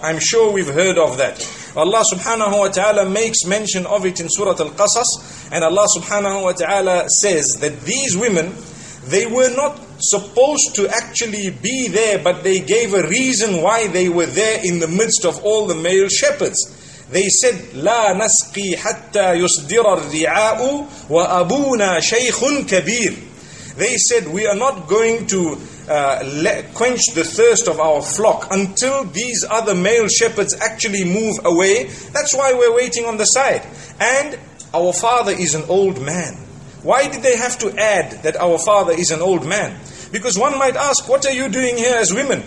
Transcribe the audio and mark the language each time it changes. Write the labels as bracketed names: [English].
[English] I'm sure we've heard of that. Allah subhanahu wa ta'ala makes mention of it in Surah Al-Qasas, and Allah subhanahu wa ta'ala says that these women, they were not supposed to actually be there, but they gave a reason why they were there in the midst of all the male shepherds. They said, [Arabic] لا نسقي حتى يصدر الرعاء وأبونا شيخ كبير. [English] They said, we are not going to quench the thirst of our flock until these other male shepherds actually move away. That's why we're waiting on the side. And our father is an old man. Why did they have to add that our father is an old man? Because one might ask, what are you doing here as women?